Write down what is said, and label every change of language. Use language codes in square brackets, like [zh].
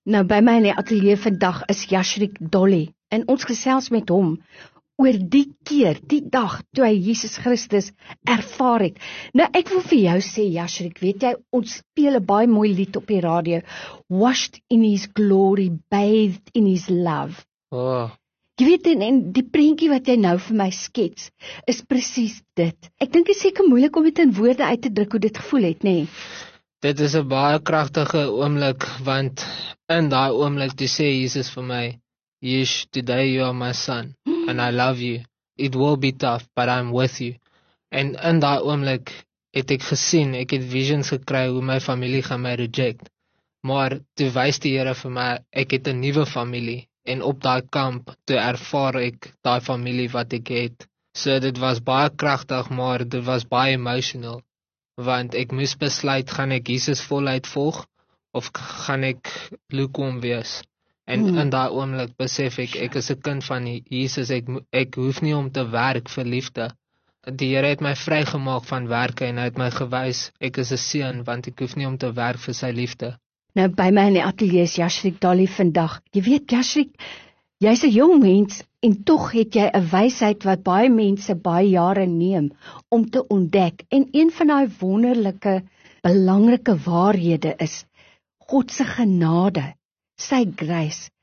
[af] Nou by my in die ateljee vandag is Yashrik Dolly. En ons gesels met hom oor die keer, die dag toe hy Jesus Christus ervaar het. Nou ek wil vir jou sê Yashrik, weet jy, ons speel 'n baie mooi lied op die radio. [en] Washed in his glory, bathed in his love. Oh. [af] Jy weet, en die prentjie wat jy nou vir my skets, is presies dit. Ek dink dit is seker moeilik om dit in woorde uit te druk hoe dit gevoel het, nê? Dit is 'n baie kragtige oomblik, want in daai oomblik toe sê Jesus vir my, [en] "Yes, today you are my son, and I love you. It will be tough, but I'm with you." [af] En in daai oomblik het ek gesien, ek het visions gekry hoe my familie gaan my reject. Maar toe wys die Here vir my, ek het 'n nuwe familie. En op daai kamp toe ervaar ek daai familie wat ek het. So dit was baie kragtig, maar dit was baie emotional. Want ek moes besluit, gaan ek Jesus voluit volg of gaan ek lukom wees? En in daai oomblik besef ek, ek is 'n kind van Jesus. Ek hoef nie om te werk vir liefde. Die Here het my vrygemaak van werke en hy het my gewys, ek is 'n seun want ek hoef nie om te werk vir sy liefde. Nou by my in die ateljee is Yashrik Dolly vandag. Jy weet Yashrik, jy's 'n jong mens en tog het jy 'n wysheid wat baie mense baie jare neem om te ontdek. En een van daai wonderlike, belangrike waarhede is God se genade, sy grace.